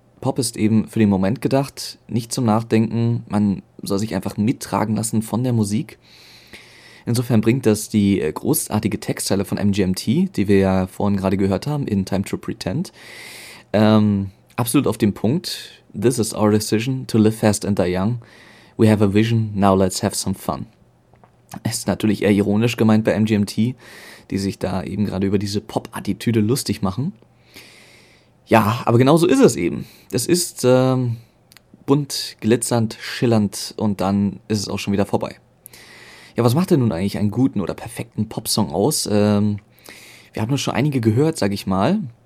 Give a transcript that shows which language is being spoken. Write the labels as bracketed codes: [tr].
[de] Pop ist eben für den Moment gedacht, nicht zum Nachdenken, man soll sich einfach mittragen lassen von der Musik. Insofern bringt das die großartige Textzeile von MGMT, die wir ja vorhin gerade gehört haben, in Time to Pretend, absolut auf den Punkt. [en] This is our decision to live fast and die young. We have a vision, now let's have some fun. [de] Ist natürlich eher ironisch gemeint bei MGMT, die sich da eben gerade über diese Pop-Attitüde lustig machen. Ja, aber genau so ist es eben. Es ist bunt, glitzernd, schillernd und dann ist es auch schon wieder vorbei. Ja, was macht denn nun eigentlich einen guten oder perfekten Popsong aus? Wir haben nur schon einige gehört, sag ich mal.